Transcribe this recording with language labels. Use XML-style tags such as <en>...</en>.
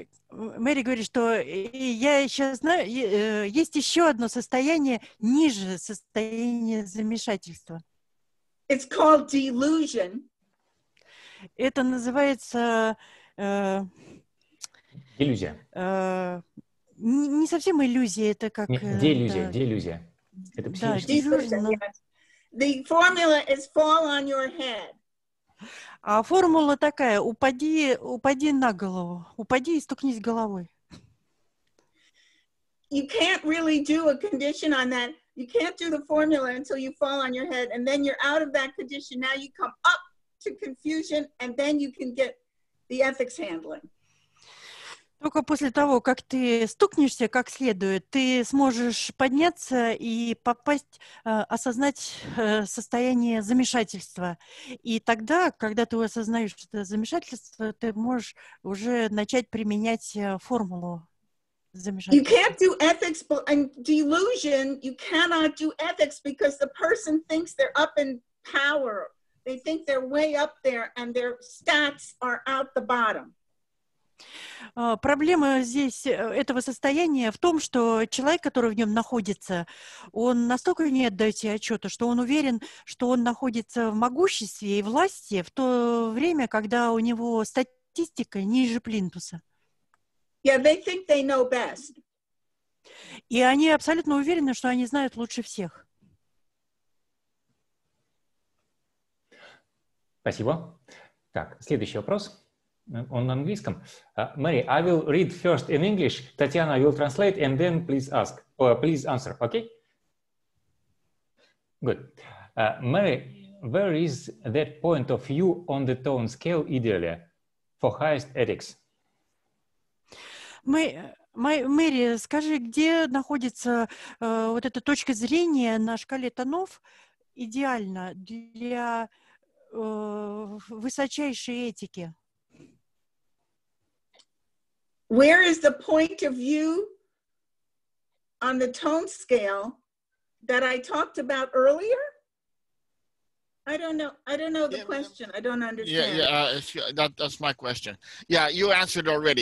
<ru>Мэри говорит, что я сейчас знаю, есть еще одно состояние ниже состояния замешательства.</ru> <en>It's called delusion.</en> <ru>Это называется иллюзия. Не совсем иллюзия, это как... Де-иллюзия. Это психическое.</ru> <en>Да, the formula is fall on your head.</en> <ru>А формула такая, упади на голову, упади и стукнись головой.</ru> <en>You can't really do a condition on that. You can't do the formula until you fall on your head, and then you're out of that condition, now you come up. Confusion, and then you can get the ethics handling.</en> <ru>Только после того, как ты стукнешься как следует, ты сможешь подняться и попасть, осознать состояние замешательства. И тогда, когда ты осознаешь это замешательство, ты можешь уже начать применять формулу замешательства.</ru> <en>You can't do ethics, and delusion, you cannot do ethics because the person thinks they're up in power. They think they're way up there, and their stats are out the bottom.</en> <ru>Проблема здесь этого состояния в том, что человек, который в нем находится, он настолько не отдает себе отчета, что он уверен, что он находится в могуществе и власти в то время, когда у него статистика ниже плинтуса.</ru> <en>Yeah, they think they know best.</en> <ru>И они абсолютно уверены, что они знают лучше всех. Спасибо. Так, следующий вопрос. Он на английском.</ru> <en>Мэри, I will read first in English. Татьяна, I will translate and then please ask. Please answer, okay? Good. Мэри, where is that point of view on the tone scale ideally for highest ethics?</en> <ru>Мэри, скажи, где находится вот эта точка зрения на шкале тонов идеально для высочайшей этики.</ru> <en>Where is the point of view on the tone scale that I talked about earlier? I don't know the question. I don't understand. That's my question. Yeah, you answered already.</en>